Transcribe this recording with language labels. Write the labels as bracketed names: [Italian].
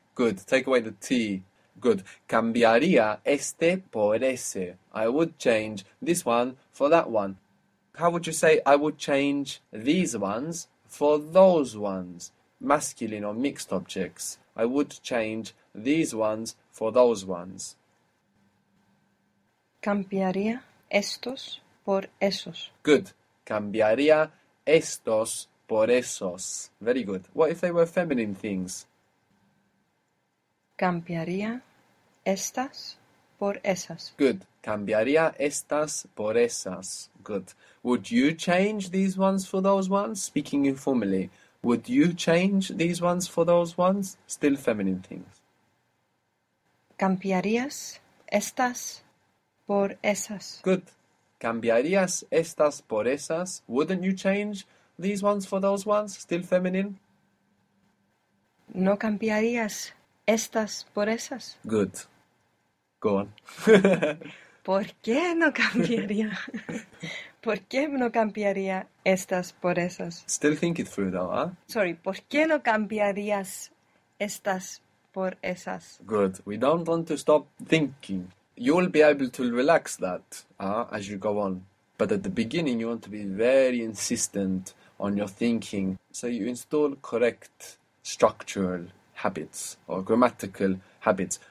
[English] Good. Take away the T. Good. [Spanish] Cambiaría este por ese. [English] I would change this one for that one. How would you say I would change these ones for those ones? Masculine or mixed objects. I would change these ones for those ones. [Spanish] Cambiaría estos por esos. [English] Good. [Spanish] Cambiaría estos por esos. [English] Very good. What if they were feminine things? [Spanish] Cambiaría estas por esas. [English] Good. [Spanish] Cambiaría estas por esas. [English] Good. Would you change these ones for those ones? Speaking informally. Would you change these ones for those ones? Still feminine things. [Spanish] Cambiarías estas por esas. [English] Good. [Spanish] Cambiarías estas por esas? [English] Wouldn't you change these ones for those ones? Still feminine. [Spanish] No cambiarías estas por esas. [English] Good. Go on. [Spanish] ¿Por qué no cambiaría? ¿Por qué no cambiaría estas por esas? [English] Still think it through though, huh? [Spanish] Sorry, ¿por qué no cambiarías estas por esas? [English] Good. We don't want to stop thinking. You'll be able to relax that as you go on. But at the beginning, you want to be very insistent on your thinking. So you install correct structural habits or grammatical habits.